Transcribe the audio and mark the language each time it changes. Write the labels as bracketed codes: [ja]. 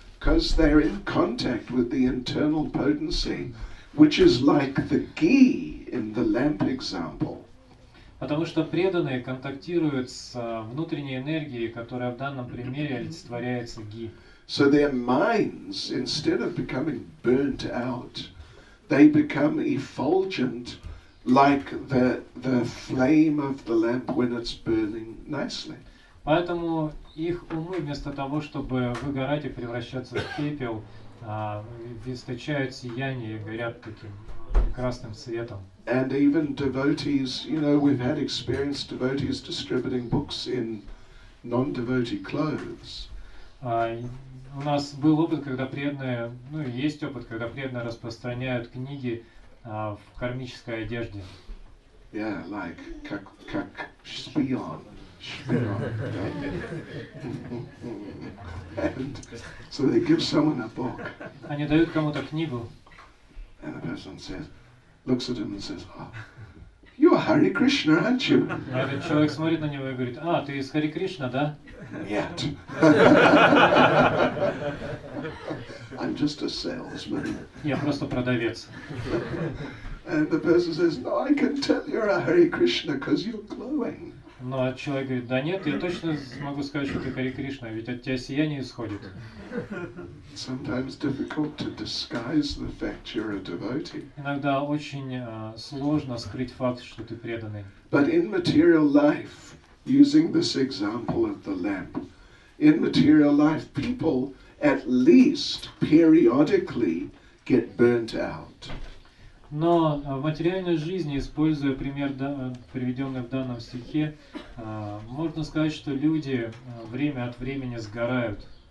[en] Because they're in contact with the internal potency, which is like the ghee in the lamp example. [ru] Потому что преданные контактируют с внутренней энергией, которая в данном примере олицетворяется ги. [en] So their minds, instead of becoming burnt out, they become effulgent, like the flame of the lamp when it's burning nicely. [ru] Поэтому их умы, вместо того, чтобы выгорать и превращаться в пепел, источают сияние и горят таким красным светом. [en] And even devotees, you know, we've had experienced devotees distributing books in non-devotee clothes. [ru] У нас был опыт, когда преданные, ну и есть опыт, когда преданные распространяют книги в кармической одежде. [en] Yeah, like, [ru] как шпион. [en] And so they give someone a book. [ru] Они дают кому-то книгу. [en] And the person says, looks at him and says, oh, you are Hare Krishna, aren't you? [ru] А этот человек смотрит на него и говорит, а, ты из Hare Krishna, да? Нет. [en] I'm just a salesman. [ru] Я просто продавец. [en] And the person says, no, I can tell you're a Hare Krishna because you're glowing. [ru] Но человек говорит, да нет, я точно могу сказать, что ты Хари Кришна, ведь от тебя сияние исходит. [en] Sometimes difficult to disguise the fact you're a devotee. [ru] Иногда очень сложно скрыть факт, что ты преданный. [en] But in material life, using this example of the lamp, in material life, people at least periodically get burnt out. [ru] Но в материальной жизни, используя пример, приведенный в данном стихе, можно сказать, что люди время от времени сгорают.